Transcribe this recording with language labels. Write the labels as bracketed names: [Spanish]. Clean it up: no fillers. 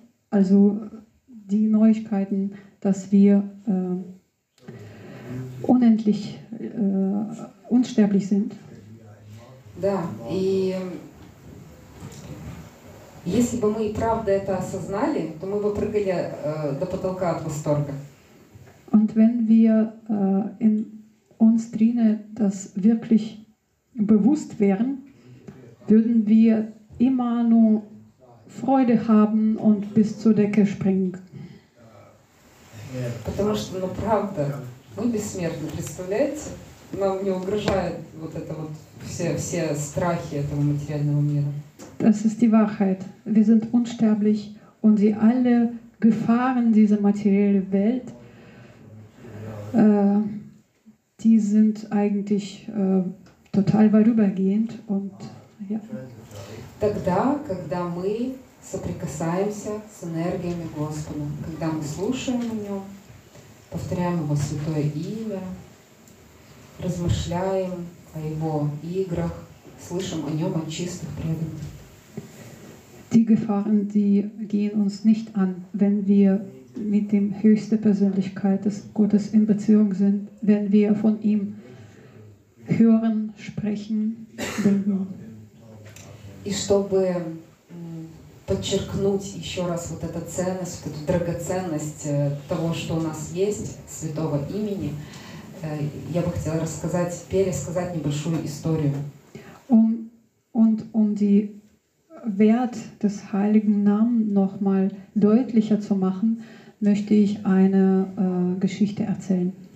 [German] Also die Neuigkeiten, dass wir unendlich unsterblich sind. [Russian] Да, и если бы мы и правда это осознали, то мы бы прыгали до потолка от восторга. [German] Und wenn wir in uns drinnen das wirklich bewusst wären, würden wir immer nur Freude haben und bis zur Decke springen. [Russian] Потому что, ну правда, мы бессмертны, представляете? Нам не угрожает вот это вот все страхи этого материального мира. [German] Das ist die Wahrheit. Wir sind unsterblich und sie alle Gefahren dieser materiellen Welt, die sind eigentlich total vorübergehend und ja. [Russian] Тогда, когда мы соприкасаемся с энергиями Господа, когда мы слушаем о нем, повторяем его святое имя, размышляем о его играх, слышим о нем, о чистых преданных. [German] Die Gefahren, die gehen uns nicht an, wenn wir mit dem höchsten Persönlichkeit des Gottes in Beziehung sind, wenn wir von ihm hören, sprechen, denken. [Russian] И чтобы подчеркнуть еще раз вот эту ценность, вот эту драгоценность того, что у нас есть, святого имени, я бы хотела рассказать, пересказать небольшую историю. [German] Um die Wert des heiligen Namen noch mal deutlicher zu machen, möchte ich eine Geschichte erzählen.